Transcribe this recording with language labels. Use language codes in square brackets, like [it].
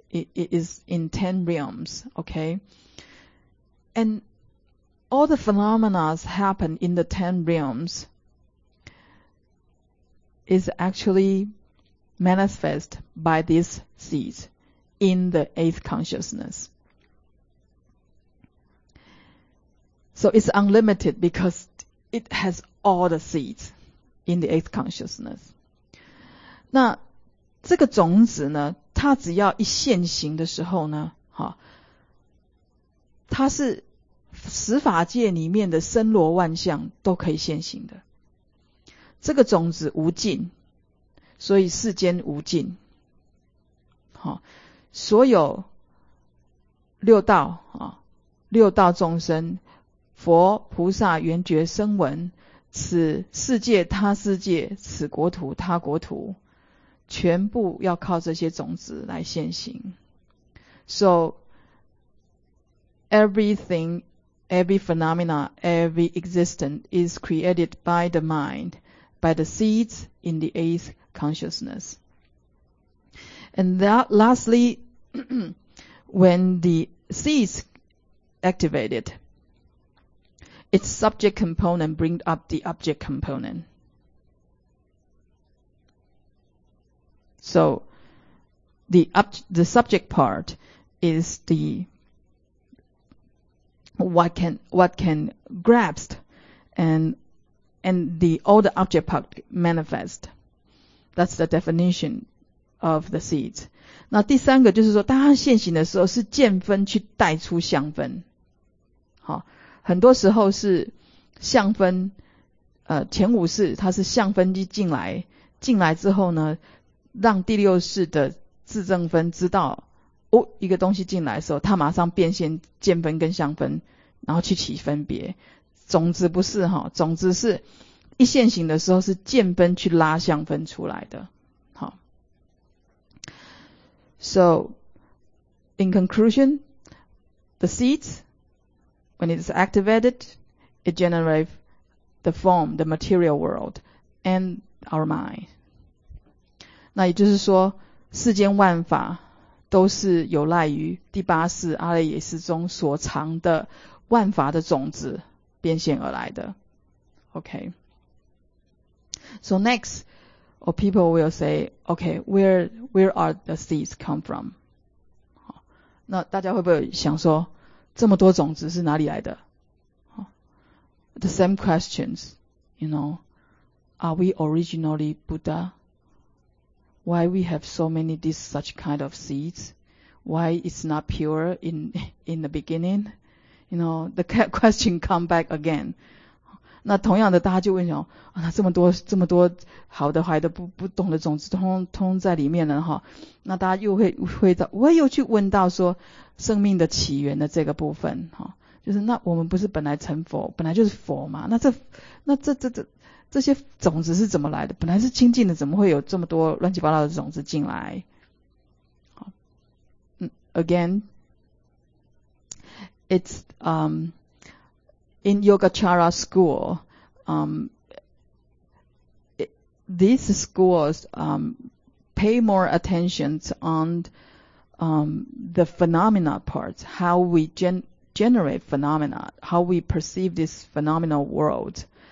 [en] It is in ten realms, okay? And all the phenomena happen in the ten realms is actually manifest by these seeds in the eighth consciousness. So it's unlimited because it has all the seeds in the eighth consciousness. [zh] 那这个种子呢它只要一现行的时候呢，哈，它是十法界里面的身罗万象都可以现行的。这个种子无尽，所以世间无尽。哈，所有六道啊，六道众生，佛菩萨缘觉声闻，此世界他世界，此国土他国土，全部要靠这些种子来现行。 [en] So everything, every phenomena, every existence is created by the mind, by the seeds in the eighth consciousness. And that, lastly, when the seeds activated, its subject component brings up the object component. So the subject part is the what can grasp, and the all the object part manifest. That's the definition of the seeds. [zh] 那第三个就是说，当它现行的时候，是见分去带出相分。好，很多时候是相分，前五识它是相分机进来之后呢，让第六识的自证分知道，哦，一个东西进来的时候，它马上变现见分跟相分，然后去起分别。种子不是哈，种子是一现行的时候是见分去拉相分出来的。 [en] So, in conclusion, the seeds, when it is activated, it generates the form, the material world, and our mind. [zh] 那也就是说，世间万法都是有赖于第八识阿赖耶识中所藏的万法的种子变现而来的。 [en] Okay. So next,or people will say, okay, where are the seeds come from? [zh] 那大家会不会想说，这么多种子是哪里来的？ [en] The same questions, you know, are we originally Buddha? Why we have so many this such kind of seeds? Why it's not pure in the beginning? You know, the question come back again. [zh] 那同样的，大家就问说：“啊，那这么多好的、坏的、不懂的种子，通在里面了哈。” 那大家又会又去问到说，生命的起源的这个部分哈，就是那我们不是本来成佛，本来就是佛嘛？那这些种子是怎么来的？本来是清净的，怎么会有这么多乱七八糟的种子进来？ [en] 好，again, it's In Yogacara school, these schools pay more attention on the phenomena part, how we generate phenomena, how we perceive this phenomenal world.